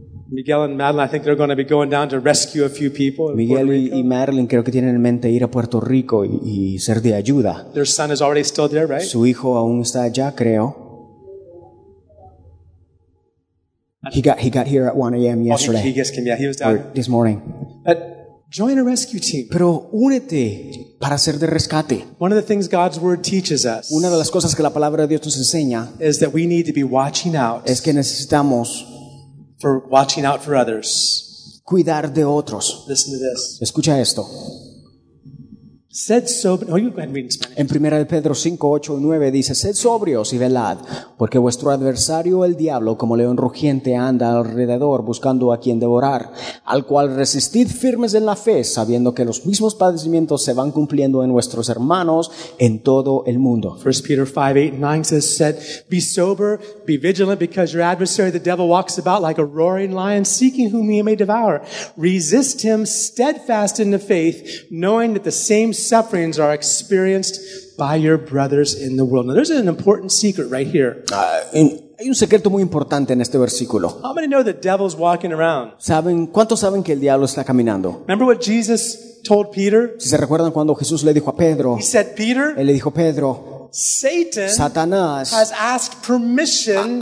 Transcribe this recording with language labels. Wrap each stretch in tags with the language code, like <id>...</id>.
<en>Miguel and Madeline, I think they're going to be going down to rescue a few people in Miguel Puerto Rico.</en> <es>Miguel y Madeline creo que tienen en mente ir a Puerto Rico y ser de ayuda.</es> <en>Their son is already still there, right?</en> <es>Su hijo aún está allá, creo.</es> <en>He got here at 1 a.m. yesterday. Oh, he just came. Yeah, he was down. Or this morning. But join a rescue team.</en> <es>Pero únete para ser de rescate.</es> <en>One of the things God's word teaches us.</en> <es>Una de las cosas que la palabra de Dios nos enseña</es> <en>is that we need to be watching out.</en> <es>Es que necesitamos</es> <en>for watching out for others.</en> <es>Cuidar de otros.</es> <en>Listen to this.</en> <es>Escucha esto. Sed sobrio.</es> <en>Oh, you go ahead and read in Spanish.</en> <es>En Primera de Pedro 5:8-9 dice: Sed sobrios y velad, porque vuestro adversario el diablo, como león rugiente, anda alrededor buscando a quien devorar, al cual resistid firmes en la fe, sabiendo que los mismos padecimientos se van cumpliendo en vuestros hermanos en todo el mundo.</es> <en>1 Peter 5:8-9 says: Sed, be sober, be vigilant, because your adversary the devil walks about like a roaring lion, seeking whom he may devour. Resist him steadfast in the faith, knowing that the same sufferings are experienced by your brothers in the world. Now, there's an important secret right here.</en> <es>Hay un secreto muy importante en este versículo.</es> <en>How many know the devil's walking around?</en> <es>¿Cuántos saben que el diablo está caminando?</es> <en>Remember what Jesus told Peter?</en> <es>Si se recuerdan cuando Jesús le dijo a Pedro.</es> <en>He said, Peter.</en> <es>Él le dijo, Pedro.</es> <en>Satan,</en> <es>Satanás,</es> <en>has asked permission.</en>